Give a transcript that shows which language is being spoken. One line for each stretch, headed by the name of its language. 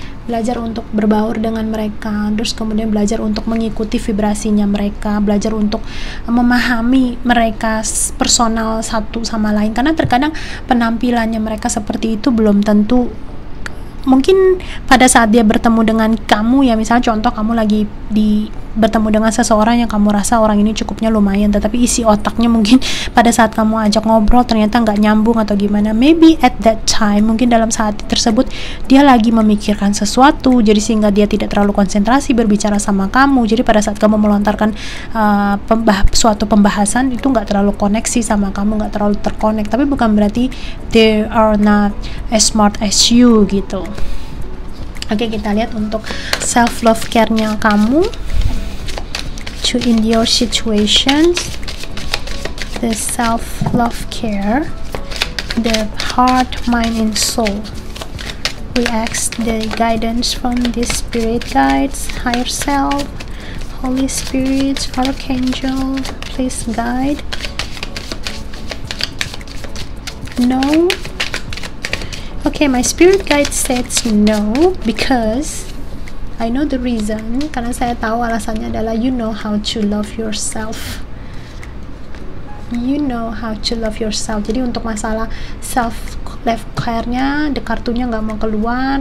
Indonesian: Belajar untuk berbaur dengan mereka, terus kemudian belajar untuk mengikuti vibrasinya mereka, belajar untuk memahami mereka personal satu sama lain, karena terkadang penampilannya mereka seperti itu belum tentu, mungkin pada saat dia bertemu dengan kamu ya, misalnya contoh kamu lagi di bertemu dengan seseorang yang kamu rasa orang ini cukupnya lumayan, tetapi isi otaknya mungkin pada saat kamu ajak ngobrol ternyata nggak nyambung atau gimana.
English: Maybe at that time,
Indonesian: mungkin dalam saat tersebut dia lagi memikirkan sesuatu, jadi sehingga dia tidak terlalu konsentrasi berbicara sama kamu. Jadi pada saat kamu melontarkan suatu pembahasan itu nggak terlalu koneksi sama kamu, nggak terlalu terkonek. Tapi bukan berarti
English: they are not as smart as you
Indonesian: gitu. Oke, kita lihat untuk self love care-nya kamu.
English: To in your situations, the self love care, the heart, mind, and soul. We ask the guidance from the spirit guides, higher self, Holy Spirit, Archangel, please guide. No. Okay, my spirit guide says no because I know the reason.
Indonesian: Karena saya tahu alasannya adalah
English: you know how to love yourself. You know how to love yourself.
Indonesian: Jadi untuk masalah self love care-nya, the kartunya nggak mau keluar.